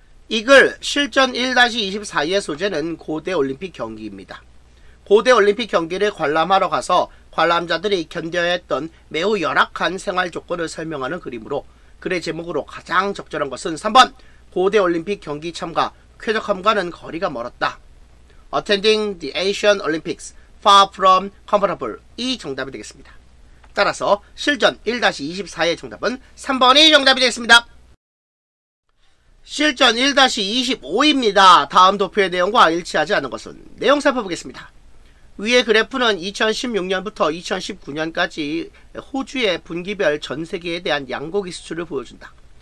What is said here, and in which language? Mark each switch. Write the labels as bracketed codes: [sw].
[ko] 이 글 실전 1-24의 소재는 고대 올림픽 경기입니다. 고대 올림픽 경기를 관람하러 가서 관람자들이 견뎌야 했던 매우 열악한 생활 조건을 설명하는 글이므로 글의 제목으로 가장 적절한 것은 3번 고대 올림픽 경기 참가 쾌적함과는 거리가 멀었다. [en] Attending the Asian Olympics far from comfortable [ko] 이 정답이 되겠습니다. 따라서 실전 1-24의 정답은 3번이 정답이 되겠습니다. 실전 1-25입니다. 다음 도표의 내용과 일치하지 않은 것은 내용 살펴보겠습니다. 위의 그래프는 2016년부터 2019년까지 호주의 분기별 전세계에 대한 양고기 수출을 보여준다.